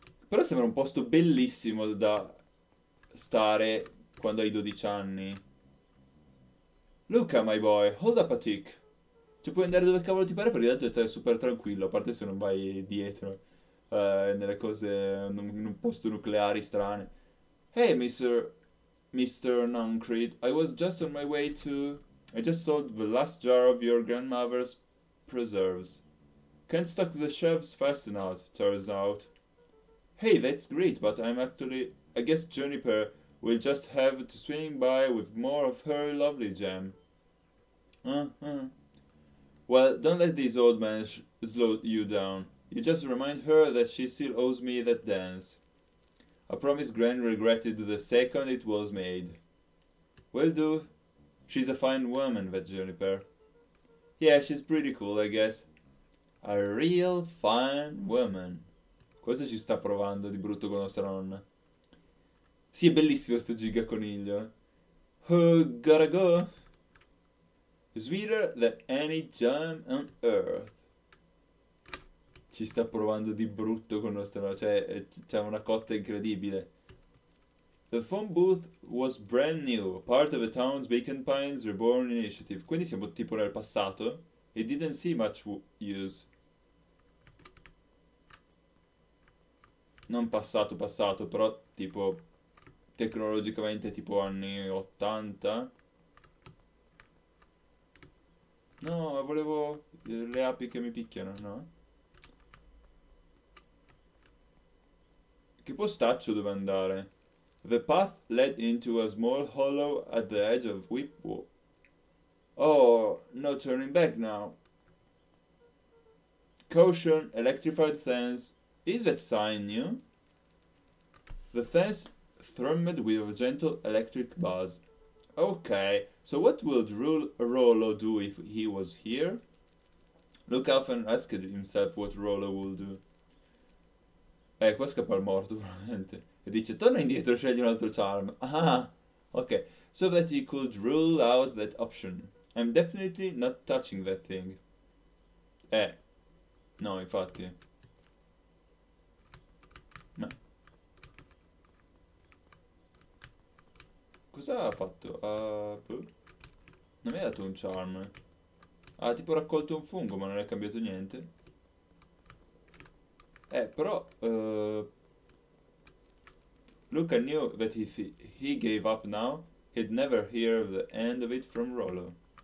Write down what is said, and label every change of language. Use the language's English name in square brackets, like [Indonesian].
[Italian] Però sembra un posto bellissimo da stare quando hai 12 anni. [English] Luca, my boy, hold up a tick. [Italian] Cioè puoi andare dove cavolo ti pare, perché tanto è super tranquillo, a parte se non vai dietro nelle cose, in un posto nucleare strano. [English] Hey, Mr. Noncreed, I was just on my way to... I just sold the last jar of your grandmother's preserves. Can't stock the shelves fast enough, turns out. Hey, that's great, but I'm actually... I guess Juniper will just have to swing by with more of her lovely jam. Well, don't let this old man slow you down. You just remind her that she still owes me that dance. I promise Gran regretted the second it was made. Will do. She's a fine woman, that Juniper. Yeah, she's pretty cool, I guess. A real fine woman. [Italian] Cosa ci sta provando di brutto con nostra nonna? Sì, è bellissimo sto giga coniglio. [English] Gotta go. Sweeter than any jam on earth. [Italian] Ci sta provando di brutto con nostra nonna. Cioè, c'è una cotta incredibile. [English] The phone booth was brand new, part of the town's Beacon Pines Reborn initiative. [Italian] Quindi siamo tipo nel passato. [English] It didn't see much use. [Italian] Non passato passato, però tipo tecnologicamente tipo anni 80. No, volevo le api che mi picchiano, no? Che postaccio dove andare? [English] The path led into a small hollow at the edge of Whipwood. Oh, no turning back now. Caution, electrified fence. Is that sign new? The fence thrummed with a gentle electric buzz. Okay, so what would Rollo do if he was here? Luke often asked himself what Rollo would do. [Italian] Qua scappa il morto, probabilmente. E dice, torna indietro, scegli un altro charm. Ah, ok. [English] So that he could rule out that option. I'm definitely not touching that thing. [Italian] No, infatti. No. Cosa ha fatto? Non mi ha dato un charm. Ha tipo raccolto un fungo, ma non è cambiato niente. però [English] Luca knew that if he gave up now, he'd never hear the end of it from Rollo.